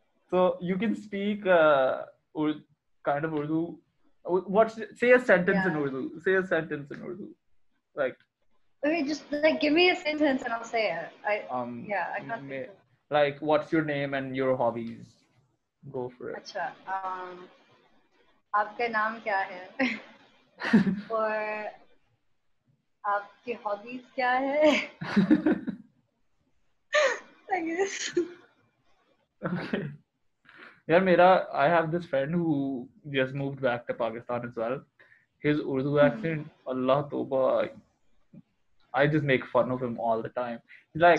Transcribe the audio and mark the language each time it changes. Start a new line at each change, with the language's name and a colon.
English: So you can speak kind of Urdu. Say a sentence in Urdu. Like. Okay, just like give me a sentence and I'll say it. I can't think of it. What's your name and your hobbies? Go for it. Acha.
Urdu: आपका नाम क्या है? और आपकी hobbies क्या है?
English: I guess. Okay. Yeah, Mera, I have this friend who just moved back to Pakistan as well. His Urdu accent, Allah Toba. I just make fun of him all the time. Like,